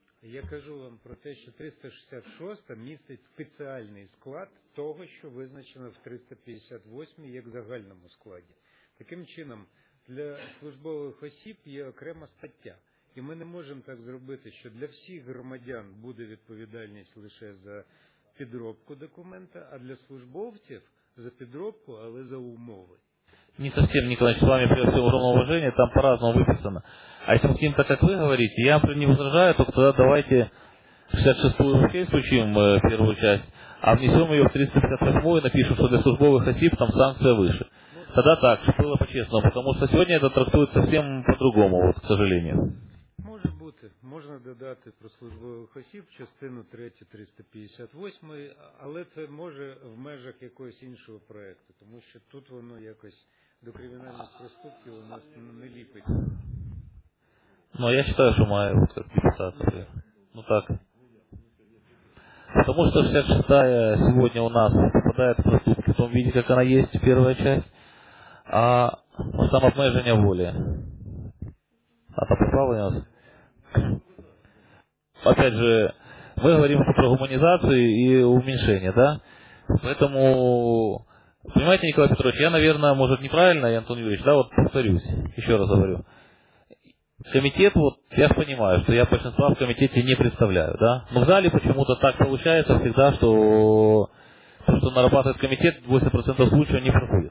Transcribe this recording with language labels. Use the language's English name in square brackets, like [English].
[Ukrainian] Я кажу вам про те, що 366 містить спеціальний склад того, що визначено в 358 як загальному складі. Таким чином… Для службових осіб є окрема стаття. І ми не можемо так зробити, що для всіх громадян буде відповідальність лише за підробку документа, а для службовців – за підробку, але за умови. [Russian] Не совсем, Николаевич, с вами при всем огромном уважении, там по-разному виписано. А если мы с ним-то, как вы говорите, я не возражаю, то тогда давайте 66-ю вообще исключим первую часть, а внесем ее в 358-ю и напишем, что [Ukrainian] для службовых осіб [Russian] там санкция выше. Тогда так, чтобы было по-честному, потому что сегодня это трактует совсем по-другому, вот, к сожалению. Может быть. Можно додать про службовых осіб, [Ukrainian] частину 3, [Russian] 358, но это может в межах какого-то другого проекта, потому что тут оно как-то до криминальных проступков у нас не липит. Ну, я считаю, что [Ukrainian] маю, [Russian] вот, как депутат. Ну, так. Потому что 66-я сегодня у нас попадает в проступки в том виде, как она есть, первая часть. [Ukrainian] А самообмеження волі. А то поправлення. [Russian] Опять же, [Ukrainian] ми говоримо про гуманізацію і уменьшення, да? [Russian] Поэтому, понимаете, Николай Петрович, я, наверное, может, неправильно, я Антон Юрьевич, да, вот повторюсь, еще раз говорю. Комитет, вот, я ж понимаю, что я большинства в комитете не представляю, да? Но в зале почему-то так получается всегда, что то, что нарабатывает комитет, 80% случаев не проходит.